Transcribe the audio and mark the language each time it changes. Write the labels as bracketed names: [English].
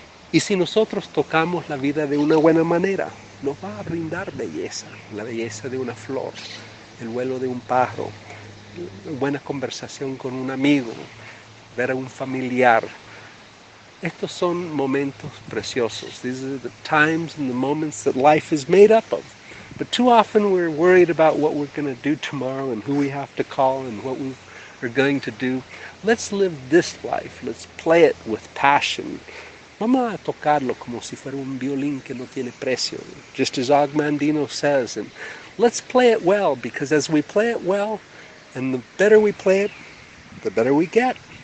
[Spanish] Y si nosotros tocamos la vida de una buena manera, nos va a brindar belleza, la belleza de una flor, el vuelo de un pájaro, buena conversación con un amigo, ver a un familiar. Estos son momentos preciosos. [English] These are the times and the moments that life is made up of. But too often we're worried about what we're going to do tomorrow and who we have to call and what we are going to do. Let's live this life. Let's play it with passion. [Spanish] Vamos a tocarlo como si fuera un violín que no tiene precio. [English] Just as Og Mandino says, and let's play it well, because as we play it well, and the better we play it, the better we get.